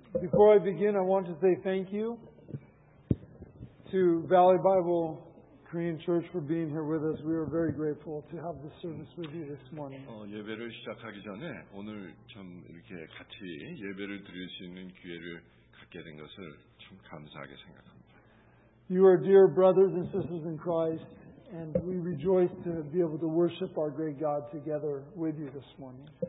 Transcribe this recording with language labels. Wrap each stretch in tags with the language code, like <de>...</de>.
<en>Before I begin, I want to say thank you to Valley Bible Korean Church for being here with us. We are very grateful to have this service with you this morning.</en> <ko>예배를 시작하기 전에 오늘 참 이렇게 같이 예배를 드릴 수 있는 기회를 갖게 된 것을 참 감사하게 생각합니다.</ko> <en>You are dear brothers and sisters in Christ, and we rejoice to be able to worship our great God together with you this morning.</en>